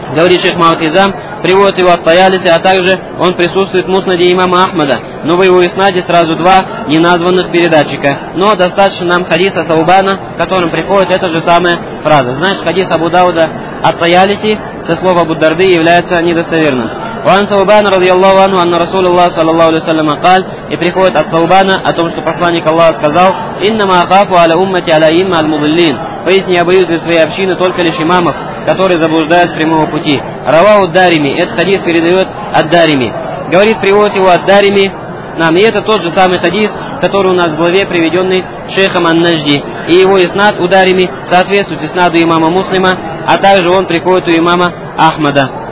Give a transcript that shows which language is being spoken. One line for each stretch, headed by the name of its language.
Russian: Говорит шейх Маутизам, приводит его ат-Таялиси, а также он присутствует в муснаде имама Ахмада. Но в его иснаде сразу два неназванных передатчика. Но достаточно нам хадиса Таубана, в котором приходит эта же самая фраза. Значит, хадис Абу Дауда ат-Таялиси со слова Абу Дарды является недостоверным.
Arabic: وعن ثوبان رضي الله عنه أن رسول الله صلى الله عليه وسلم قال يبرخوت الثوبان
Russian: о том, что посланник Аллаха сказал:
Arabic: إنما أخاف على أمتي على إمام المضلين.
Russian: Поистине, я боюсь для своей общины только лишь имамов, которые заблуждают с прямого пути.
Arabic: رواه الدارمي.
Russian: Этот хадис передает الدارمي. Говорит, приводит его الدارمي нам. И это тот же самый хадис, который у нас в главе, приведенный шейхом ан-Нажди. И его иснад у الدارمي соответствует иснаду имама Муслима, а также он приходит у имама Ахмада.